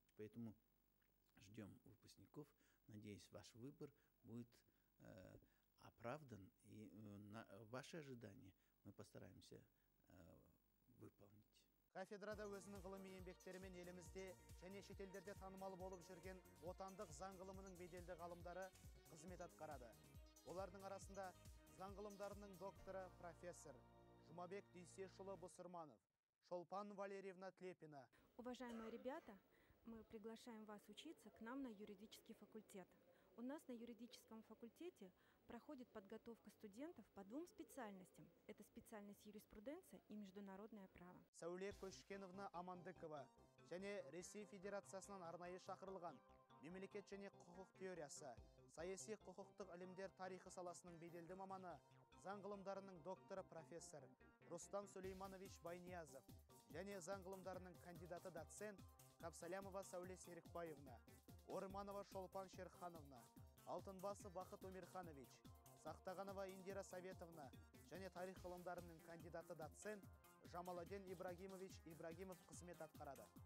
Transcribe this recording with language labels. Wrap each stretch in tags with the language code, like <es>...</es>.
<ru>Поэтому ждем выпускников. Надеюсь, ваш выбор будет оправдан. И ваши ожидания мы постараемся выполнить.</ru> <kk>Кафедрада өзінің ғылыми еңбектерімен елімізде және шетелдерде танымал болып жүрген отандық заң ғылымының беделді ғалымдары қызмет атқарады. Олардың арасында заң ғылымдарының докторы профессор Жұмабек Дүйсешұлы Бусырманов, Шолпан Валерьевна Тлепина.</kk> <ru>Уважаемые ребята, мы приглашаем вас учиться к нам на юридический факультет. У нас на юридическом факультете проходит подготовка студентов по двум специальностям. Это специальность юриспруденция и международное право.</ru> <kk>Сауле Кошкеновна Амандыкова, және Ресей Федерациясынан арнайы шақырылған. Мемлекет және құқық теориясы, саяси құқықтық ілімдер тарихы саласының беделді маманы, заң ғылымдарының докторы профессор Рустам Сулейманович Байниязов және заң ғылымдарының кандидаты доцент Капсалямова Сауле Серікбаевна, Орманова Шолпан Шерхановна, Алтынбасы Бақыт Омирханович, Сақтағанова Индира Советовна және тарих ғылымдарының кандидаты доцент Жамаладен Ибрагимович Ибрагимов қызмет атқарады.</kk>